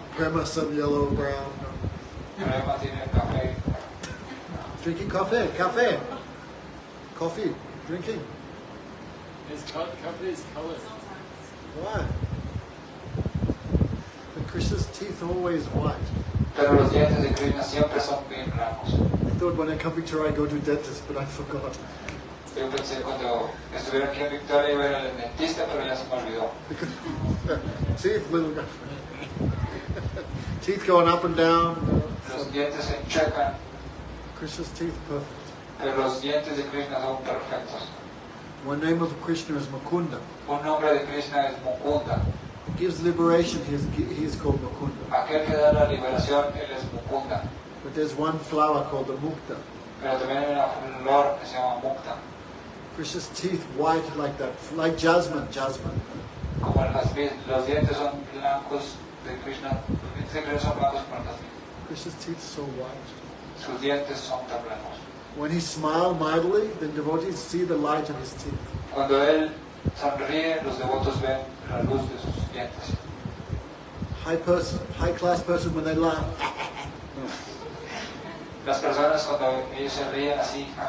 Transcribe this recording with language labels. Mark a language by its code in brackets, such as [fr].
[en] Crema some yellow brown. [es] Crema tiene café. [en] Drinking café, café. Coffee, drinking. His coffee is colored. Why? But Krishna's teeth are always white. [es] Pero los dientes de Krishna siempre son bien blancos. [en] I thought when I come to Victoria I go to dentist, but I forgot. [es] Yo pensé cuando estuviera aquí en Victoria iba a ir al dentista, pero ya se me olvidó. [en] Teeth, little guy. Teeth going up and down. [es] Los dientes se checan. [en] Krishna's teeth perfect. [es] Pero los dientes de Krishna son perfectos. [en] One name of Krishna is Mukunda. [es] Un nombre de Krishna es Mukunda. [en] He gives liberation, he is called Mukunda. [es] Aquel que da la liberación, él es Mukunda. [en] But there's one flower called the Mukta. [es] Pero también hay una flor que se llama Mukta. [en] Krishna's teeth white like that, like jasmine. [es] Como los dientes son blancos de Krishna, siempre son blancos como el jazmín. [en] Krishna's teeth so white. [es] Sus dientes son tan blancos. [en] When he smiles mildly, then devotees see the light of his teeth. [es] Cuando él sonríe, los devotos ven la luz de sus dientes. [en] High class person, when they laugh. [es] Las personas cuando ellos se ríen así.